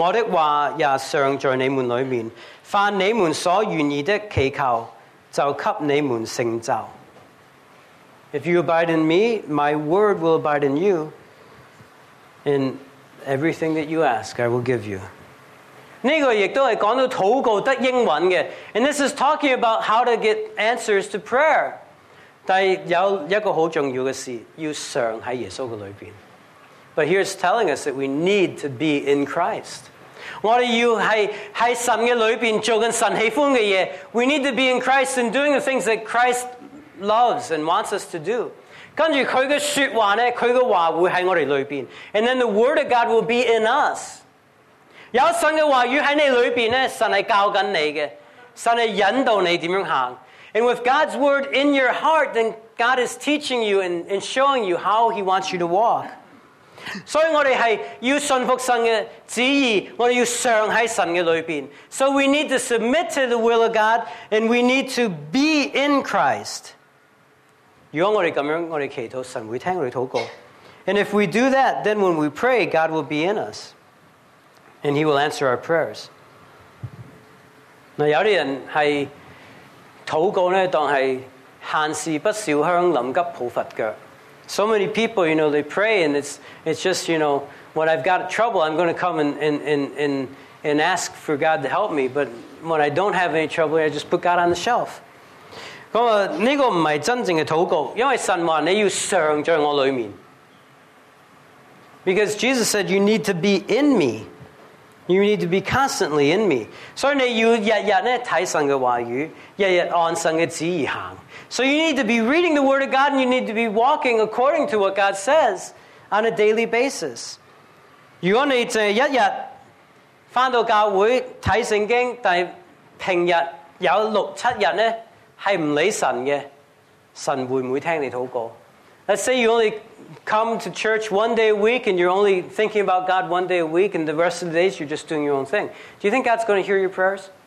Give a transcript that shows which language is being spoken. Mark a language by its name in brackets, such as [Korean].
[Cantonese] 你们若常在我里面,我的话也常在你们里面, 凡你们所愿意的祈求,就给你们成就。 [English] If you abide in me, my word will abide in you, and everything that you ask, I will give you. And this is talking about how to get answers to prayer. But here's telling us that we need to be in Christ. We need to be in Christ and doing the things that Christ loves and wants us to do. [Cantonese] 跟着他的说话呢, 他的话会在我们里面, [English] and then the word of God will be in us. [Cantonese] 有神的话语在你里面呢, 神是教你的, 神是引导你怎样行, [English] and with God's word in your heart, then God is teaching you and showing you how he wants you to walk. [Cantonese] 所以我们是要信服神的旨意, 我们要常在神的里面, [English] so we need to submit to the will of God and we need to be in Christ. [Cantonese] 如果我们这样,我们祈祷,神会听我们祷告。 [English] And if we do that, then when we pray, God will be in us. And he will answer our prayers. [Cantonese] 有些人祷告,当是闲事不少香,临急抱佛脚。 [English] So many people, you know, they pray and it's just, you know, when I've got trouble, I'm going to come and and ask for God to help me. But when I don't have any trouble, I just put God on the shelf. [Cantonese] 因为神说你要常在我里面。 [English] Because Jesus said you need to be in me. You need to be constantly in me. [Cantonese] 所以你要日日看神的话语，日日按神的旨意行。 [English] So you need to be reading the Word of God and you need to be walking according to what God says on a daily basis. [Cantonese] 如果你日日回到教会看圣经，但平日有六七日是不理神的，神会不会听你祷告？ [English] Let's say you only come to church one day a week and you're only thinking about God one day a week and the rest of the days you're just doing your own thing. Do you think God's going to hear your prayers?